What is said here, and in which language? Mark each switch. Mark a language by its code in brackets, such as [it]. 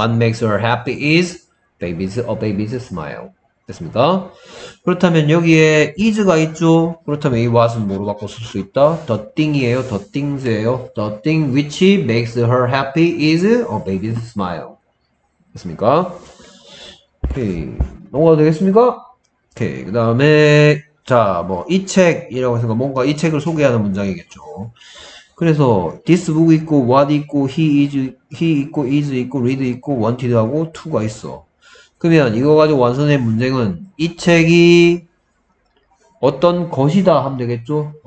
[en] What makes her happy is a baby's smile. [ko] 됐습니까? 그렇다면 여기에 is가 있죠. 그렇다면 이 what은 뭐로 바꿔 쓸수 있다? The thing이에요. The things이에요. [en] The thing which makes her happy is a baby's smile. [ko] 됐습니까? 오케이. 넘어가도 되겠습니까? 오케이. 그 다음에 자, 뭐이 책이라고 해서 뭔가 이 책을 소개하는 문장이겠죠. 그래서 this book 있고 what 있고 he 있고 is 있고 read 있고 wanted 하고 to가 있어. 그러면 이거 가지고 완성된 문장은 이 책이 어떤 것이다 하면 되겠죠?